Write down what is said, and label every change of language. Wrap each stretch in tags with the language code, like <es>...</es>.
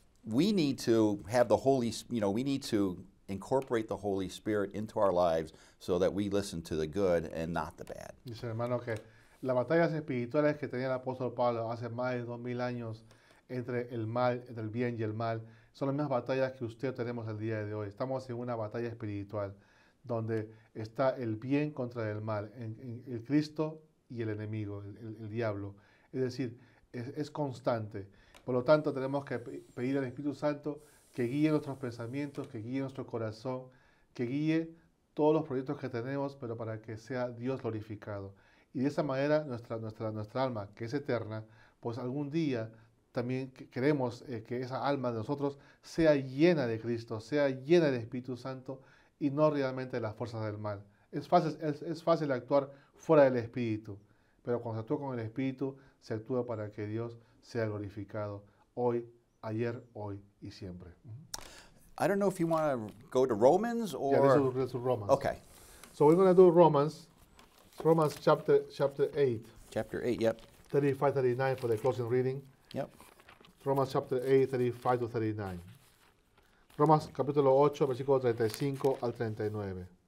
<en>We need to have the Holy, you know, we need to incorporate the Holy Spirit into our lives so that we listen to the good and not the bad.</en> <es>Dice hermano que las batallas espirituales que tenía el apóstol Pablo hace más de 2,000 años entre el mal, entre el bien y el mal, son las mismas batallas que usted tenemos el día de hoy. Estamos en una batalla espiritual donde está el bien contra el mal, en el Cristo y el enemigo, el diablo. Es decir, es constante. Por lo tanto, tenemos que pedir al Espíritu Santo que guíe nuestros pensamientos, que guíe nuestro corazón, que guíe todos los proyectos que tenemos, pero para que sea Dios glorificado. Y de esa manera, nuestra alma, que es eterna, pues algún día también queremos que esa alma de nosotros sea llena de Cristo, sea llena del Espíritu Santo y no realmente de las fuerzas del mal. Es fácil actuar fuera del Espíritu, pero cuando se actúa con el Espíritu, se actúa para que Dios sea glorificado hoy, ayer, hoy y siempre.</es> <en>I don't know if you want to go to Romans or... Yeah, let's do Romans. Okay. So we're going to do Romans. Romans chapter 8. Chapter 8, yep. 35-39 for the closing reading. Yep. Romans chapter 8, 35-39.</en> <es>Romans capítulo 8, versículo 35-39.</es>